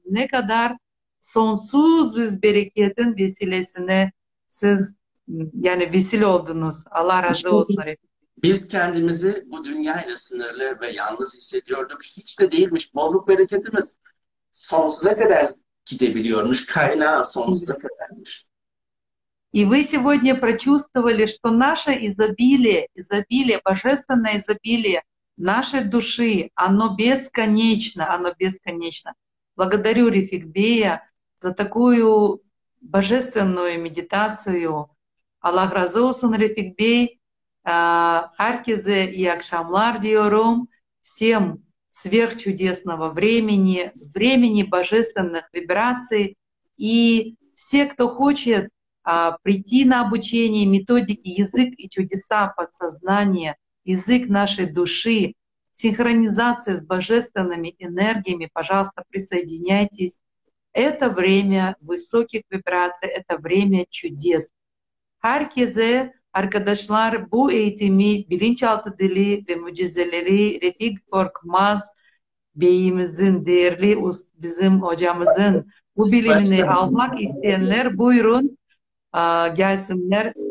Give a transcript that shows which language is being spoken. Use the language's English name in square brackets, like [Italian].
[Turkish] Ne kadar sonsuz bir bereketin vesilesine siz yani vesile oldunuz. Allah razı İşte olsun. biz kendimizi bu dünyayla sınırlı ve yalnız hissediyorduk. Hiç de değilmiş. Bolluk bereketimiz sonsuza kadar gidebiliyormuş. Kaynağı sonsuza kadarmış. [Russian] И вы сегодня прочувствовали, что наше изобилие, изобилие, божественное изобилие нашей души, оно бесконечно, оно бесконечно. Благодарю Рефик Бея за такую божественную медитацию. [Turkish] Аллах разы олсун Рефик Бей. Херкезе и акшамлар диорум. [Russian] Всем сверхчудесного времени, времени божественных вибраций. И все, кто хочет прийти на обучение методики «Язык и чудеса подсознания», «Язык нашей души», синхронизация с божественными энергиями, пожалуйста, присоединяйтесь. Это время высоких вибраций, это время чудес. [Turkish] Herkese arkadaşlar bu eğitimi bilinçaltı dili ve mucizeleri Refik Korkmaz Beyimizin değerli bizim hocamızın bu bilimini almak isteyenler buyurun gelsinler.